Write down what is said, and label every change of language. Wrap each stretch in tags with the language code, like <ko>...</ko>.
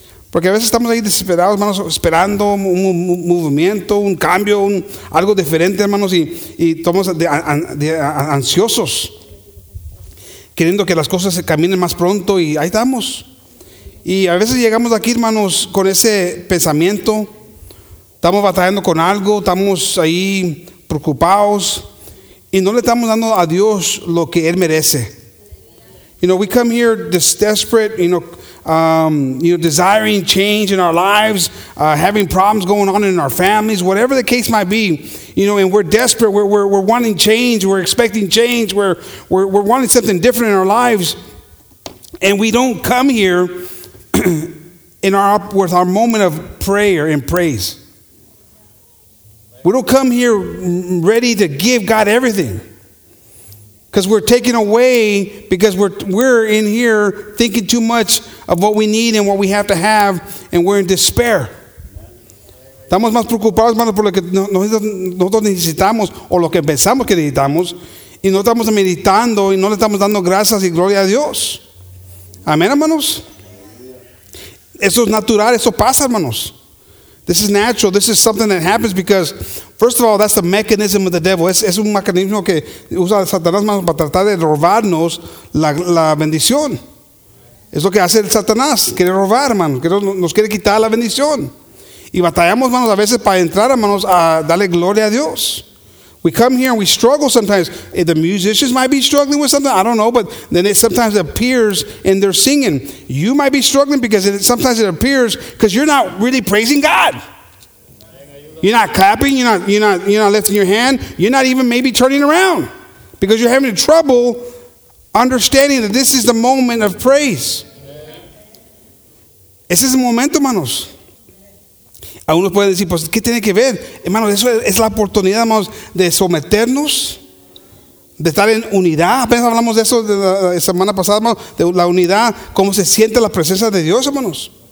<es>Porque a veces estamos ahí desesperados, hermanos, esperando un movimiento, un cambio, algo diferente, hermanos, y estamos ansiosos, queriendo que las cosas se caminen más pronto, y ahí estamos. Y a veces llegamos aquí, hermanos, con ese pensamiento, estamos batallando con algo, estamos ahí preocupados, y no le estamos dando a Dios lo que Él merece.</es> <en>You know, we come here this desperate, you know, desiring change in our lives, having problems going on in our families, whatever the case might be, you know, and we're desperate, we're wanting change, we're expecting change, we're wanting something different in our lives, and we don't come here in our moment of prayer and praise. We don't come here ready to give God everything. Because we're taken away because we're in here thinking too much of what we need and what we have to have, and we're in despair.</en> <es>Estamos más preocupados, hermanos, por lo que nosotros necesitamos o lo que pensamos que necesitamos, y no estamos meditando y no le estamos dando gracias y gloria a Dios. Amén, hermanos. Eso es natural, eso pasa, hermanos.</es> <en>This is natural. This is something that happens because, first of all, that's the mechanism of the devil.</en> <es>Es un mecanismo que usa Satanás para tratar de robarnos la bendición. Es lo que hace el Satanás. Quiere robar, hermano. Nos quiere quitar la bendición. Y batallamos, hermanos, a veces para entrar, hermanos, a darle gloria a Dios.</es> <en>We come here and we struggle sometimes. The musicians might be struggling with something. I don't know, but then it sometimes appears in their singing. You might be struggling because sometimes it appears because you're not really praising God. You're not clapping. You're not lifting your hand. You're not even maybe turning around because you're having trouble understanding that this is the moment of praise.</en> <es>Ese es el momento, manos. Algunos pueden decir, pues, ¿qué tiene que ver? Hermano, eso es la oportunidad, hermanos, de someternos, de estar en unidad. Apenas hablamos de eso de la semana pasada, hermanos, de la unidad, cómo se siente la presencia de Dios, hermanos.</es>